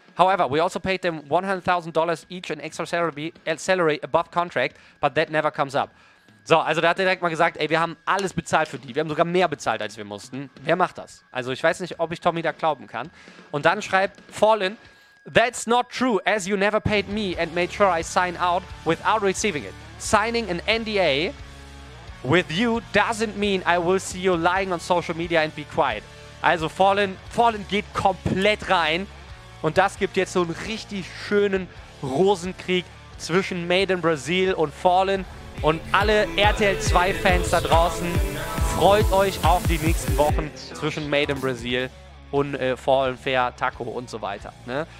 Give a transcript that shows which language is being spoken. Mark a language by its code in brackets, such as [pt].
[en] However, we also paid them $100,000 each in extra salary above contract, but that never comes up. [de] So, also da hat er direkt mal gesagt, ey, wir haben alles bezahlt für die. Wir haben sogar mehr bezahlt, als wir mussten. Wer macht das? Also ich weiß nicht, ob ich Tommy da glauben kann. Und dann schreibt Fallen, [en] that's not true, as you never paid me and made sure I sign out without receiving it. Signing an NDA with you doesn't mean I will see you lying on social media and be quiet. [de] Also Fallen geht komplett rein. Und das gibt jetzt so einen richtig schönen Rosenkrieg zwischen Made in Brazil und Fallen. Und alle RTL2-Fans da draußen, freut euch auf die nächsten Wochen zwischen Made in Brazil und Fallen Fair, Taco und so weiter. Ne?